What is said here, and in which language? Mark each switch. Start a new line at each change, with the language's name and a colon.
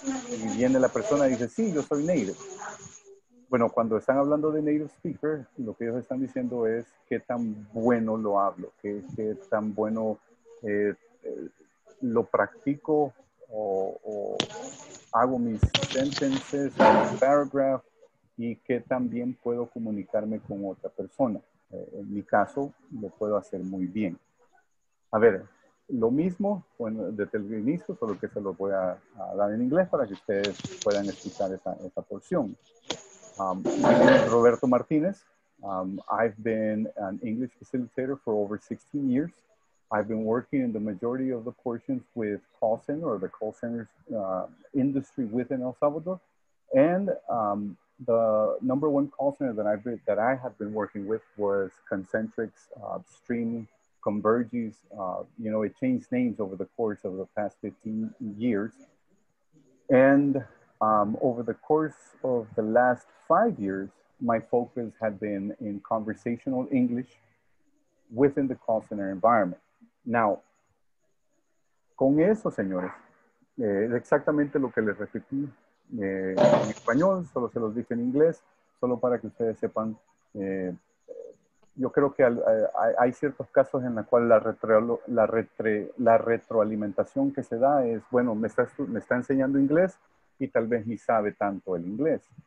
Spanish: Y viene la persona y dice, sí, yo soy native. Bueno, cuando están hablando de native speaker, lo que ellos están diciendo es qué tan bueno lo hablo, qué tan bueno lo practico o hago mis sentences, mis paragraphs, y qué tan bien puedo comunicarme con otra persona. En mi caso, lo puedo hacer muy bien. A ver, lo mismo, bueno, desde el inicio, solo que se lo voy a dar en inglés para que ustedes puedan escuchar esa porción.
English: My name is Roberto Martinez. I've been an English facilitator for over 16 years. I've been working in the majority of the portions with call center or the call center industry within El Salvador. And the number one call center that I have been working with was Concentrix Stream Converges. You know, it changed names over the course of the past 15 years. And over the course of the last 5 years, my focus had been in conversational English within the call center environment.
Spanish: Now, con eso, señores, es exactamente lo que les repetí en español, solo se los dije en inglés, solo para que ustedes sepan. Yo creo que hay ciertos casos en los cuales la retroalimentación que se da es, bueno, me está enseñando inglés y tal vez ni sabe tanto el inglés.